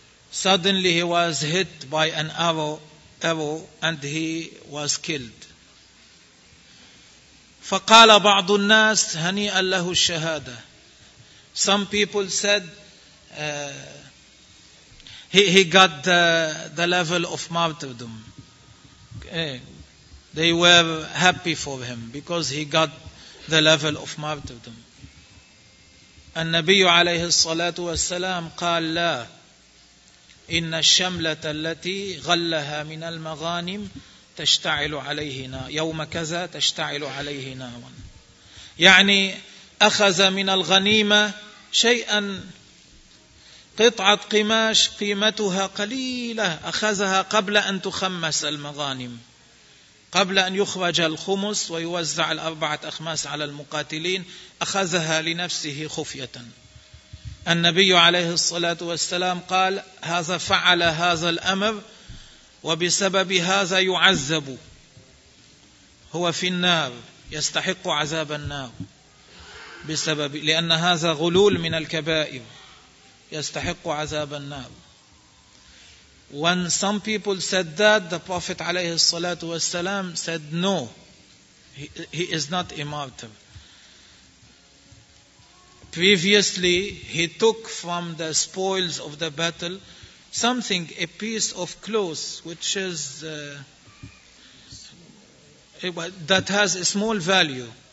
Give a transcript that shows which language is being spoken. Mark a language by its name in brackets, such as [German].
[English] Suddenly he was hit by an arrow and he was killed. [Arabic] فقال بعض الناس هنيئا له الشهادة. [English] Some people said he got the level of martyrdom. They were happy for him because he got the level of martyrdom. [Arabic] النبي عليه الصلاة والسلام قال لا إن الشملة التي غلها من المغانم تشتعل عليه نار يوم كذا تشتعل عليه نار. يعني أخذ من الغنيمة شيئا قطعة قماش قيمتها قليلة أخذها قبل أن تخمس المغانم قبل أن يخرج الخمس ويوزع الأربعة أخماس على المقاتلين أخذها لنفسه خفية. النبي عليه الصلاة والسلام قال هذا فعل هذا الأمر وبسبب هذا يعذب هو في النار يستحق عذاب النار بسبب لأن هذا غلول من الكبائر يستحق عذاب النار. [English] When some people said that, the Prophet عليه الصلاة والسلام said no, he is not a martyr. Previously, he took from the spoils of the battle something, a piece of cloth, which is that has a small value.